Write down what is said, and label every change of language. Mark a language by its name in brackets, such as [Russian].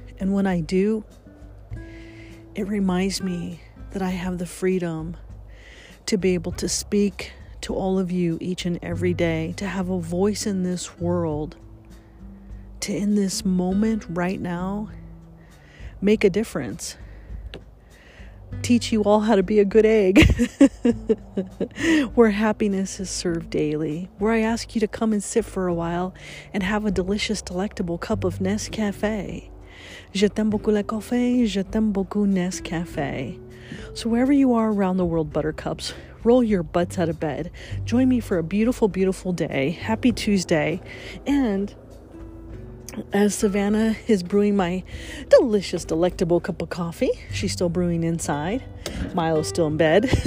[English] And when I do, it reminds me that I have the freedom to be able to speak to all of you each and every day, to have a voice in this world, to in this moment right now, make a difference, teach you all how to be a good egg, where happiness is served daily, where I ask you to come and sit for a while and have a delicious, delectable cup of Nescafé. [French] Je t'aime beaucoup le café, je t'aime beaucoup Nescafé. [English] So wherever you are around the world, buttercups, roll your butts out of bed. Join me for a beautiful, beautiful day. Happy Tuesday. And as Savannah is brewing my delicious, delectable cup of coffee, she's still brewing inside. Milo's still in bed.